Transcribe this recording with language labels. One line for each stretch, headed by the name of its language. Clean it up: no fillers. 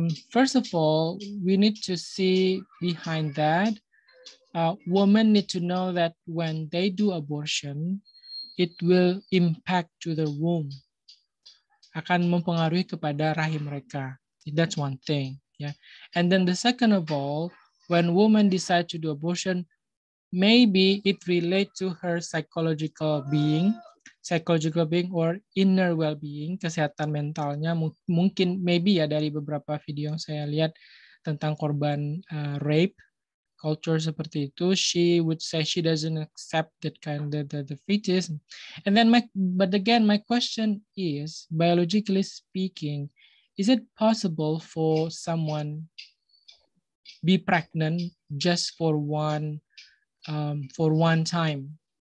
English: First of all, we need to see behind that. Women need to know that when they do abortion, it will impact to their womb.
Indonesian: Akan mempengaruhi kepada rahim mereka.
English: That's one thing, yeah. And then the second of all, when women decide to do abortion, maybe it relates to her psychological being or inner well-being,
Indonesian: kesehatan mentalnya. Mungkin maybe ya, dari beberapa video yang saya lihat tentang korban rape,
English: culture
Indonesian: seperti itu,
English: she would say she doesn't accept that kind of the fetus. And then my question is, biologically speaking, is it possible for someone be pregnant just for one time?